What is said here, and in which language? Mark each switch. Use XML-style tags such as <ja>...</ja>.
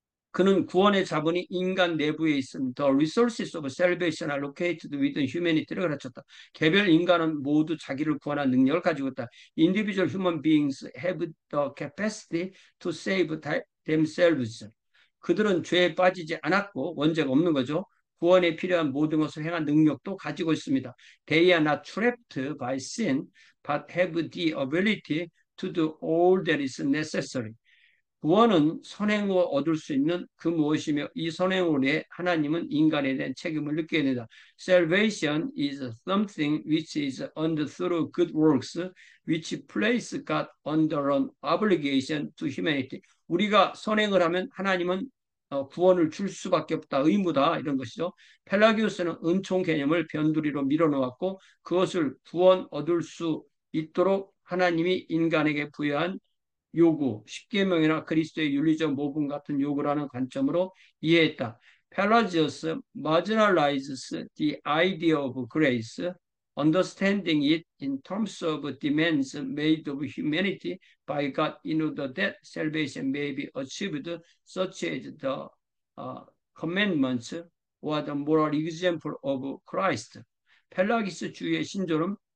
<ko>그는 구원의 자본이 인간 내부에 있음,</ko> <en>The resources of salvation are located within humanity</en> <ko>를 가르쳤다. 개별 인간은 모두 자기를 구원한 능력을 가지고 있다.</ko> <en>Individual human beings have the capacity to save themselves.</en> <ko>그들은 죄에 빠지지 않았고 원죄가 없는 거죠. 구원에 필요한 모든 것을 행한 능력도 가지고 있습니다.</ko> <en>They are not trapped by sin, but have the ability to do all that is necessary.</en> <ko>구원은 선행으로 얻을 수 있는 그 무엇이며 이 선행으로 인해 하나님은 인간에 대한 책임을 느끼게 된다.</ko> <en>Salvation is something which is earned through good works, which place God under an obligation to humanity.</en> <ko>우리가 선행을 하면 하나님은 구원을 줄 수밖에 없다. 의무다. 이런 것이죠. 펠라기우스는 은총 개념을 변두리로 밀어놓았고 그것을 구원 얻을 수 있도록 하나님이 인간에게 부여한 요구, 십계명이나 그리스도의 윤리적 모범 같은 요구라는 관점으로 이해했다.</ko> <en>Pelagius marginalizes the idea of grace, understanding it in terms of demands made of humanity by God in order that salvation may be achieved, such as the commandments or the moral example of Christ.</en> <ko>펠라기스 주의 신조는</ko>